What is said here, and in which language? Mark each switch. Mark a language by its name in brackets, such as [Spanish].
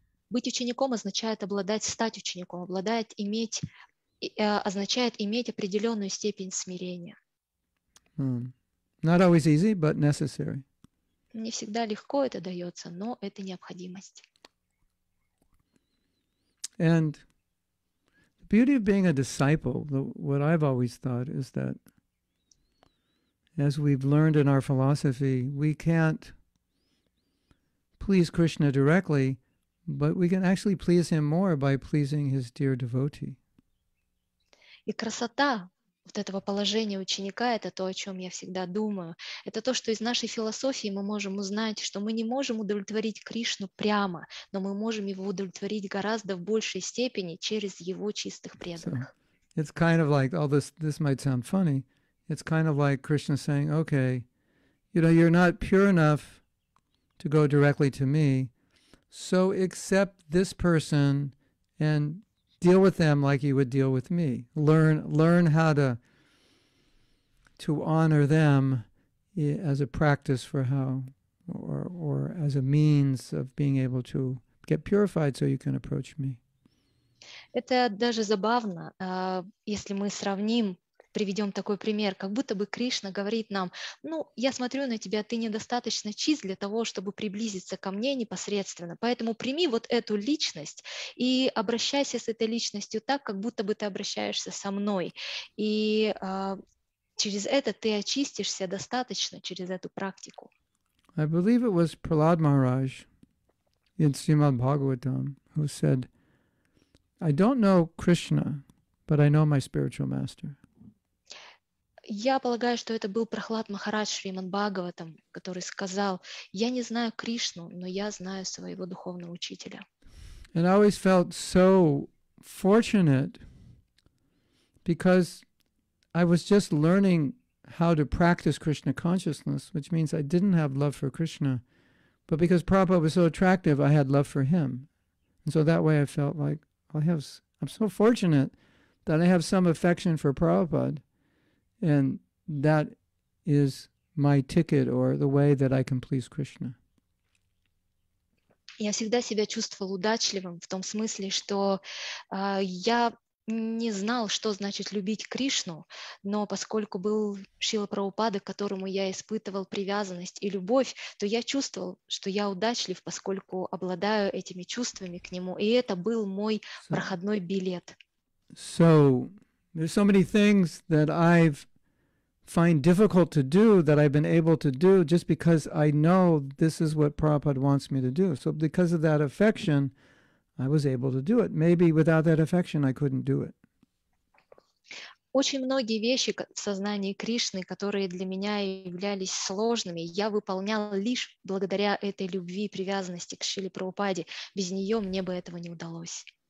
[Russian] Быть учеником означает обладать, стать учеником, обладает, иметь, означает иметь определенную степень смирения. [English] Not always easy, but necessary. [Russian] Не всегда легко это дается, но это необходимость. [English] And the beauty of being a disciple, what I've always thought, is that as we've learned in our philosophy, we can't please Krishna directly, but we can actually please him more by pleasing his dear devotee. [Russian] И красота вот этого положения ученика — это то, о чем я всегда думаю. Это то, что из нашей философии мы можем узнать, что мы не можем удовлетворить Кришну прямо, но мы можем его удовлетворить гораздо в большей степени через его чистых преданных. [English] So, it's kind of like, all this might sound funny, it's kind of like Krishna saying, okay, you're not pure enough to go directly to me, so accept this person and deal with them like you would deal with me. Learn how to honor them as a practice for how or as a means of being able to get purified so you can approach me. [Russian] Это даже забавно, если мы сравним, приведем такой пример, как будто бы Кришна говорит нам, я смотрю на тебя, ты недостаточно чист для того, чтобы приблизиться ко мне непосредственно, поэтому прими вот эту личность и обращайся с этой личностью так, как будто бы ты обращаешься со мной, и через это ты очистишься достаточно через эту практику. [English] I believe it was Prahlad Maharaj in Srimad Bhagavatam who said, I don't know Krishna, but I know my spiritual master. [Russian] Я полагаю, что это был Прахлад Махарадж Шриман Бхагаватам, который сказал, я не знаю Кришну, но я знаю своего духовного учителя. [English] And I always felt so fortunate because I was just learning how to practice Krishna consciousness, which means I didn't have love for Krishna, but because Prabhupada was so attractive, I had love for him. And so that way I felt like I'm so fortunate that I have some affection for Prabhupada. And that is my ticket or the way that I can please Krishna. [Russian] Я всегда себя чувствовал удачливым в том смысле, что я не знал, что значит любить Кришну, но поскольку был Шрила Прабхупада, к которому я испытывал привязанность и любовь, то я чувствовал, что я удачлив, поскольку обладаю этими чувствами к нему, и это был мой проходной билет. [English] So there's so many things that I find difficult to do that I've been able to do just because I know this is what Prabhupada wants me to do. So because of that affection, I was able to do it. Maybe without that affection, I couldn't do it. [Russian] Очень многие вещи в сознании Кришны, которые для меня являлись сложными, я выполнял лишь благодаря этой любви и привязанности к Шриле Прабхупаде. Без нее мне бы этого не удалось.